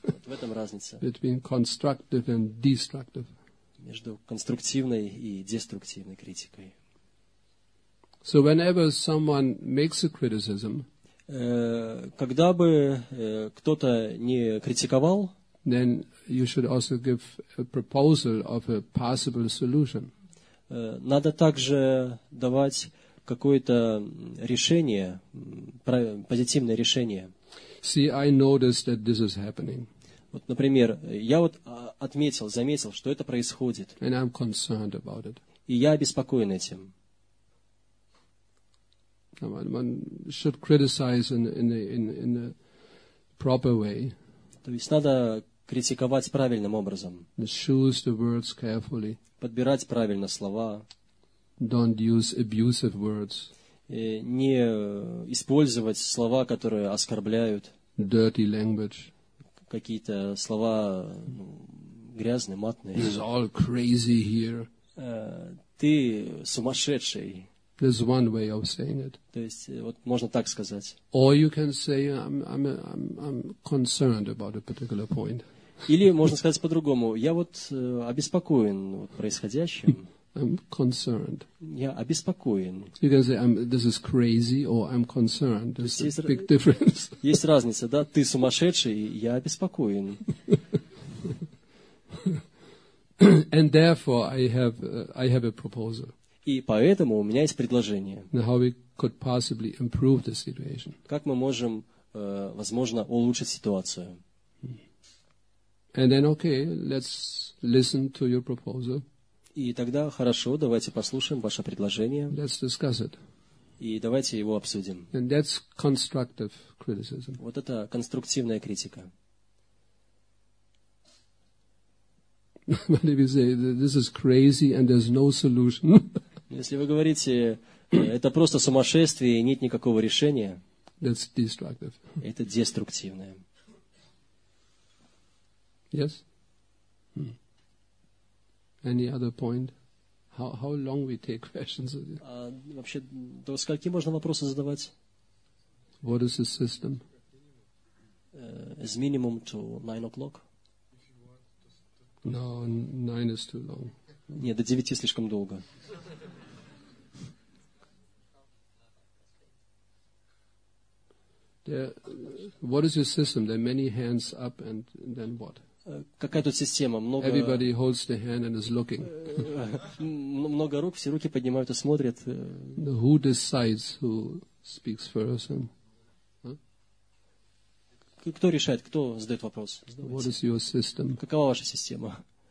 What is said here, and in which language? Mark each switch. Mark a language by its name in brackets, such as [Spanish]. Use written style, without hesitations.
[Russian] Вот в этом разница. [English] Between constructive and destructive. [Russian] Между конструктивной и деструктивной критикой. [English] So whenever someone makes a criticism, [Russian] когда бы кто-то не критиковал, [English] then you should also give a proposal of a possible solution. [Russian] Надо также давать какое-то решение, позитивное решение. [English] See, I noticed that this is happening. [Russian] Вот, например, я вот отметил, заметил, что это происходит. [English] And I'm concerned about it. [Russian] И я обеспокоен этим. [English] One should criticize in a proper way. [Russian] То есть надо критиковать правильным образом. [English] Choose the words carefully. [Russian] Подбирать правильно слова. [English] Don't use abusive words. [Russian] не использовать слова, которые оскорбляют. [English] Dirty language. [Russian] Какие-то слова грязные, матные. [English] This is all crazy here. [Russian] Ты сумасшедший. [English] There's one way of saying it. [Russian] То есть, вот можно так сказать. [English] Or you can say, I'm concerned about a particular point. [Russian] Или можно сказать по-другому. Я вот обеспокоен вот происходящим. [English] I'm concerned. [Russian] Я обеспокоен. [English] You can say, this is crazy, or I'm concerned. There's a big difference. [Russian] Есть разница, да? Ты сумасшедший, я обеспокоен. [English] And therefore, I have a proposal. [Russian] И поэтому у меня есть предложение. [English] Now how we could possibly improve the situation. [Russian] Как мы можем, возможно, улучшить ситуацию? [English] And then, okay, let's listen to your proposal. [Russian] И тогда, хорошо, давайте послушаем ваше предложение. [English] Let's discuss it. [Russian] И давайте его обсудим. [English] And that's constructive criticism. [Russian] Вот это конструктивная критика. [English] But if you say, this is crazy and there's no solution. [Russian] Если вы говорите, это просто сумасшествие и нет никакого решения, [English] that's destructive. [Russian] Это деструктивное. [English] Yes? Any other point? How long we take questions? [Russian] А вообще, до скольки можно вопросы задавать? [English] What is the system? As minimum to 9 o'clock. No, 9 is too long. [Russian] Нет, до 9 слишком долго. [English] What is your system? There are many hands up, and then what? [Russian] Какая тут система? Много. [English] Everybody holds the hand and is looking. [Russian] Много рук, все руки поднимают и смотрят. [English] Who decides who speaks first? [Russian] Кто решает? Кто задает вопрос? [English] What is your system? [Russian] Какова ваша система?